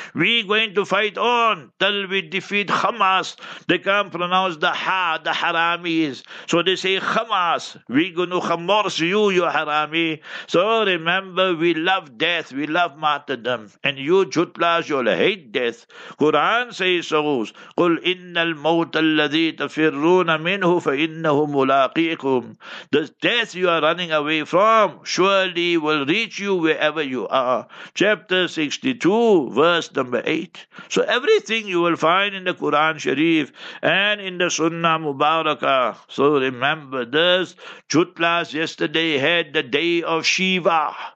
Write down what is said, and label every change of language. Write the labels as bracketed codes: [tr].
[en] We're going to fight on till we defeat Hamas. They can't pronounce the ha, the haramis. So they say Hamas, we gonna hamors you, you harami. So remember, we love death, we love martyrdom, and you jutlas, you'll hate death. Quran says so, [ar] قُلْ إِنَّ الْمَوْتَ الَّذِي تَفِرُّونَ مِنْهُ فَإِنَّهُ مُلَاقِيكُمْ. [en] The death you are running away from surely will reach you wherever you are. Chapter 62, verse number 8. So everything you will find in the Quran Sharif and in the Sunnah Mubarakah. So remember this. Chutlas yesterday had the day of Shiva.